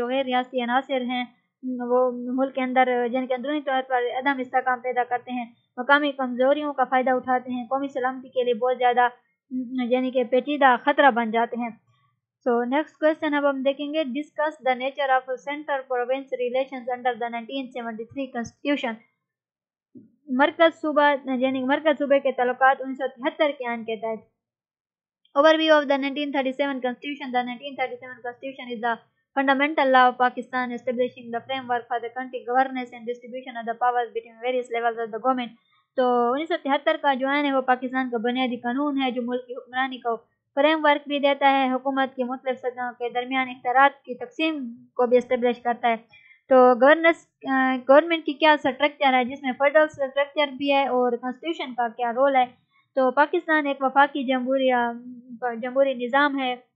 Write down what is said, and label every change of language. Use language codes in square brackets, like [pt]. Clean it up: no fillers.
[ur] جو غیر ریاستی عناصر ہیں وہ ملک کے اندر جن کے اندرونی طور پر عدم استحکام پیدا کرتے ہیں, مقامی کمزوریوں کا فائدہ اٹھاتے ہیں, قومی سلامتی کے لیے بہت زیادہ یعنی کہ پیچیدہ خطرہ بن جاتے ہیں. [en] so next question [ur] اب ہم دیکھیں گے, [en] Discuss the nature of centre province relations under the 1973 constitution. [ur] مرکز صوبہ کے تعلقات 1973 کے آئین کے تحت. [en] Overview of the 1937 constitution, the 1937 constitution is the fundamental law of Pakistan establishing the framework for the country governance and distribution of the powers between various levels of the government. [ur] تو 1973 کا جو آئین ہے وہ پاکستان کا بنیادی قانون ہے جو ملک کی حکمرانی کو فریم ورک بھی دیتا ہے, حکومت کی مختلف سطحوں کے درمیان اختیارات کی تقسیم کو بھی اسٹیبلش کرتا ہے. تو گورنمنٹ کی کیا اسٹرکچر ہے, جس میں فیڈرل اسٹرکچر بھی ہے اور کانسٹیٹیوشن کا کیا رول ہے. تو پاکستان ایک وفاقی جمہوری نظام ہے